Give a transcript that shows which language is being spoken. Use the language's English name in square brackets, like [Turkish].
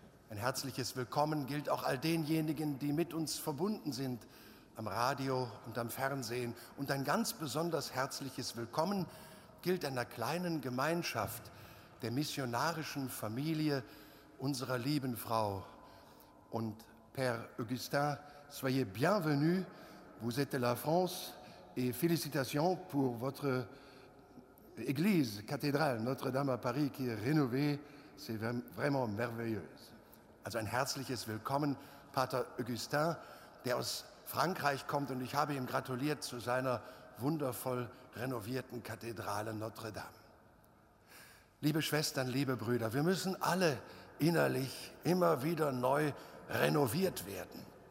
[German] Ein herzliches Willkommen gilt auch all denjenigen, die mit uns verbunden sind am Radio und am Fernsehen. Und ein ganz besonders herzliches Willkommen gilt einer kleinen Gemeinschaft der missionarischen Familie unserer lieben Frau. [French] Und Père Augustin, soyez bienvenue, vous êtes de la France et félicitations pour votre Église, cathédrale Notre-Dame à Paris, qui est rénovée, c'est vraiment merveilleux. [German] Also ein herzliches Willkommen, Pater Augustin, der aus Frankreich kommt, und ich habe ihm gratuliert zu seiner wundervoll renovierten Kathedrale Notre-Dame. Liebe Schwestern, liebe Brüder, wir müssen alle innerlich immer wieder neu renoviert werden.